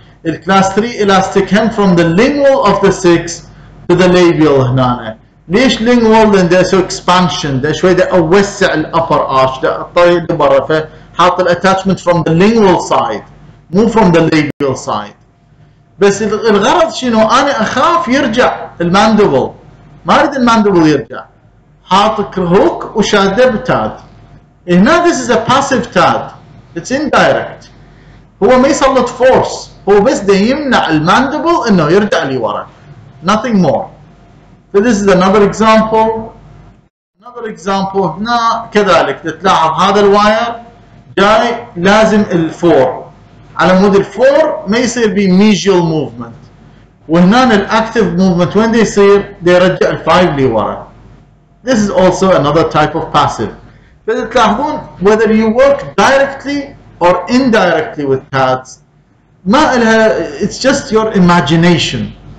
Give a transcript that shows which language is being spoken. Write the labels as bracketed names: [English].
[Arabic] الكلاس 3 إلاستيك هم [English] from the lingual of the 6 to the labial [Arabic] هنا ليش لينجوال لان ده سو اكسبانشن ده شوي ده اوسع الابر ارش ده طيب ده برا فحاط الاتاتشمنت [English] from the lingual side [Arabic] مو [English] from the labial side [Arabic] بس الغرض شنو؟ أنا أخاف يرجع الماندبل، ما أريد الماندبل يرجع. حاطك هوك وشاده بتاد. [English] هنا this is a passive tad. It's indirect. [Arabic] هو ما يسلط فورس، هو بس ده يمنع الماندبل إنه يرجع لي ورا. [English] Nothing more. So this is another example. Another example. [Arabic] هنا كذلك تلاحظ هذا الواير جاي لازم الفور. على مود الفور ما يصير بي ميجيال موفمنت. وهنا الاكتف موفمنت وين يصير؟ يرجع الفايف لي ورا. [English] This is also another type of passive. فتلاحظون whether you work directly or indirectly with tads ما الها it's just your imagination.